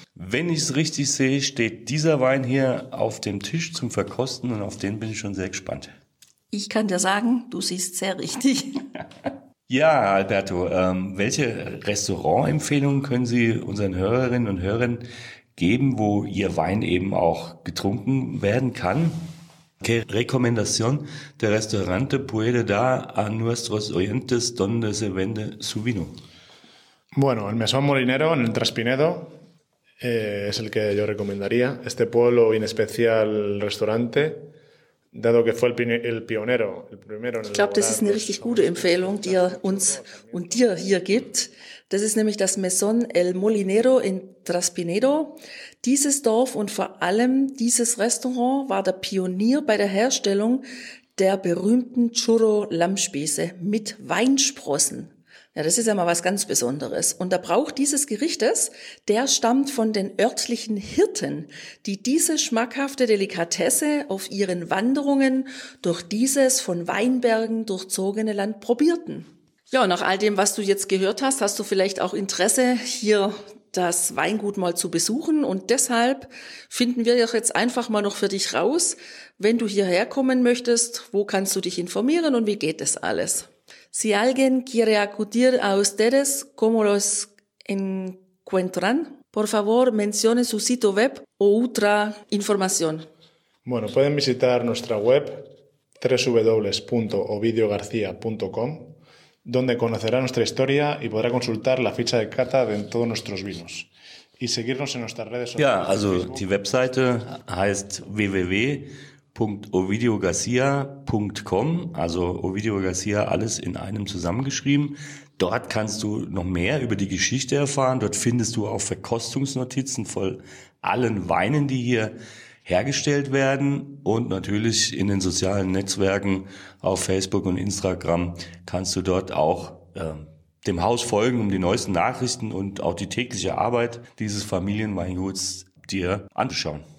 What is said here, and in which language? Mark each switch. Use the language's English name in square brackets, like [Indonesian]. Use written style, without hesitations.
[German] Wenn ich es richtig sehe, steht dieser Wein hier auf dem Tisch zum Verkosten und auf den bin ich schon sehr gespannt. Ich kann dir sagen, du siehst sehr richtig. Ja, Alberto, welche Restaurantempfehlungen können Sie unseren Hörerinnen und Hörern geben, wo Ihr Wein eben auch getrunken werden kann? [Spanish] ¿Qué recomendación de restaurante puede dar a nuestros oyentes donde se vende su vino? Bueno, el Mesón Molinero en el Traspinedo es el que yo recomendaría. Este pueblo y en especial el restaurante, dado que fue el pionero, el primero en el. [German] Ich glaube, das ist eine richtig gute Empfehlung, die er uns und dir hier gibt. Das ist nämlich das Mesón El Molinero in Traspinedo. Dieses Dorf und vor allem dieses Restaurant war der Pionier bei der Herstellung der berühmten Churro-Lammspieße mit Weinsprossen. Ja, das ist ja mal was ganz Besonderes. Und der Brauch dieses Gerichtes, der stammt von den örtlichen Hirten, die diese schmackhafte Delikatesse auf ihren Wanderungen durch dieses von Weinbergen durchzogene Land probierten. Ja, nach all dem, was du jetzt gehört hast, hast du vielleicht auch Interesse, hier das Weingut mal zu besuchen. Und deshalb finden wir jetzt einfach mal noch für dich raus, wenn du hierher kommen möchtest, wo kannst du dich informieren und wie geht das alles? [Spanish] Si alguien quiere acudir a ustedes, ¿cómo los encuentran? Por favor, mencione su sitio web o otra información. Bueno, pueden visitar nuestra web www.ovidiogarcia.com. Donde conocerá nuestra historia y podrá consultar la ficha de cata de todos nuestros vinos y seguirnos en nuestras redes sociales. [German] Ja, also die Webseite heißt www.ovidiogarcia.com, also Ovidio Garcia alles in einem zusammengeschrieben. Dort kannst du noch mehr über die Geschichte erfahren. Dort findest du auch Verkostungsnotizen von allen Weinen, die hier hergestellt werden, und natürlich in den sozialen Netzwerken auf Facebook und Instagram kannst du dort auch dem Haus folgen, um die neuesten Nachrichten und auch die tägliche Arbeit dieses Familienweinguts dir anzuschauen.